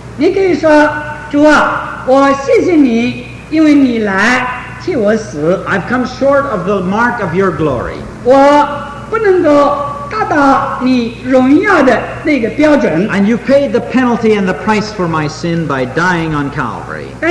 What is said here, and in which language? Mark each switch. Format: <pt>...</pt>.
<zh>你可以说，主啊，我谢谢你，因为你来替我死。</zh> <en>I've come short of the mark of your glory.</en> <zh>我不能够达到你荣耀的那个标准。</zh> <en>And you paid the penalty and the price for my sin by dying on Calvary.</en>